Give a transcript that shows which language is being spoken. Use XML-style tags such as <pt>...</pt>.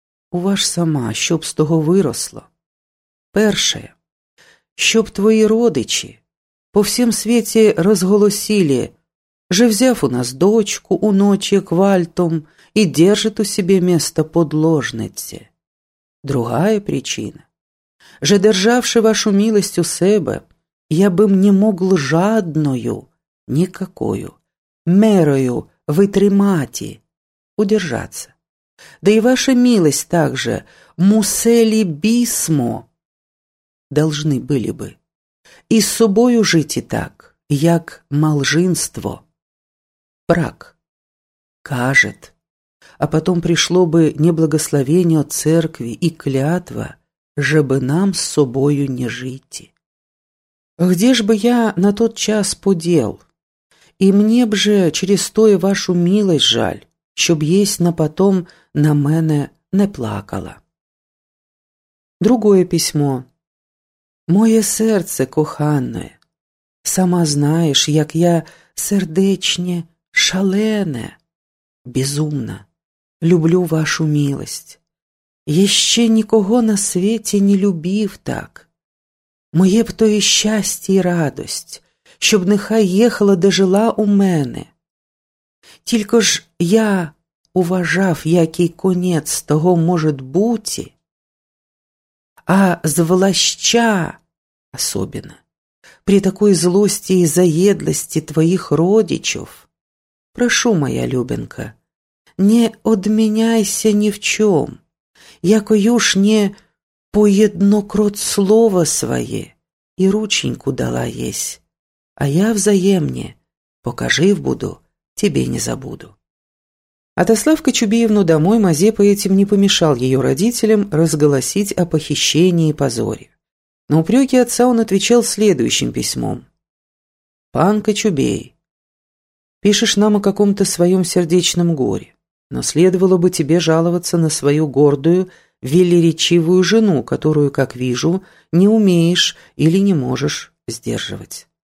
<uk>У ваш сама, щоб з того виросло. Перше, щоб твої родичі по всім світі розголосили, же взяв у нас дочку у ночі квальтом і держит у себе место подложниці. Другая причина, же державши вашу милость у себе, я би не могл жадною, никакою, мерою витримати, удержаться. Да и ваша милость также, мусели бисмо,</uk> <ru>должны были бы,</ru> <uk>и с собою жить и так, як малжинство, брак, кажет, а потом пришло бы неблагословение от церкви и клятва, жебы нам с собою не жити. Где ж бы я на тот час подел, и мне б же через тое вашу милость жаль, щоб єсть на потом на мене не плакала.</uk> <ru>Другое письмо.</ru> <uk>Моє серце, кохане, сама знаєш, як я сердечне, шалене, безумна, люблю вашу милость. Я ще нікого на світі не любив так. Моє б то і щастя, і радость, щоб нехай їхала да жила у мене. Тільки ж я уважав, який конец того може бути, а звлаща особенно, при такой злості і заєдлості твоїх родичів, прошу, моя любенка, не одміняйся ні в чому, якою ж не поєднокрот слово своє і рученьку дала єсь, а я взаємне покажив буду, тебе не забуду.</uk> <ru>Отослав Кочубеевну домой, Мазепа этим не помешал ее родителям разголосить о похищении и позоре. На упреки отца он отвечал следующим письмом. «Пан Кочубей, пишешь нам о каком-то своем сердечном горе, но следовало бы тебе жаловаться на свою гордую, велеречивую жену, которую, как вижу, не умеешь или не можешь сдерживать.</ru>